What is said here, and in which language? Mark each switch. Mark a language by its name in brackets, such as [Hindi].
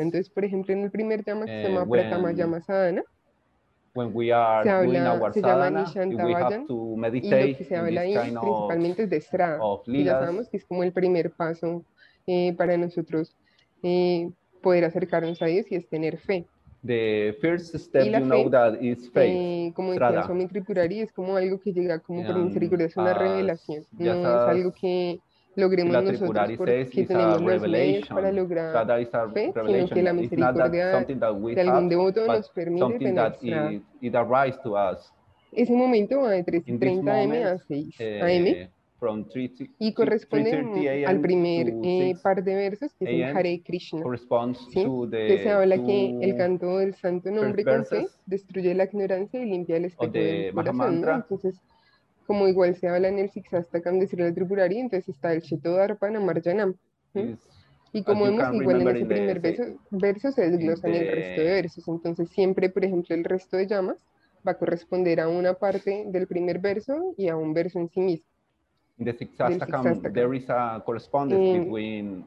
[Spanish] Entonces, por ejemplo, en el primer tema que se llama Pratama Yama Sadhana, [English] when we are [Spanish] se llama [English] Nishantavayan, [Spanish] y lo que se habla ahí es principalmente de estrada. Y ya sabemos que es como el primer paso para nosotros poder acercarnos a Dios, y es tener fe. [English] The first step, you know, that is faith. [Spanish] Como decía Swami Tripurari, es como algo que llega como por misericordia, es una revelación. No es algo que logremos nosotros porque tenemos los medios para lograr fe, sino que la misericordia de algún devoto nos permite tener esa. Ese momento va de 3:30 a.m. a 6 a.m. y corresponde al primer par de versos, que es el Hare Krishna. ¿Sí? Que se habla que el canto del santo nombre con fe destruye la ignorancia y limpia el espejo del corazón, ¿no? Entonces, como igual se habla en el Siksastakam de Srila Tripurari, entonces está el Cheto Darpana Marjanam. Y como vemos, igual en ese primer verso se desglosan el resto de versos. Entonces, siempre, por ejemplo, el resto de llamas va a corresponder a una parte del primer verso y a un verso en sí mismo. [English] In the Siksastakam, there is a correspondence between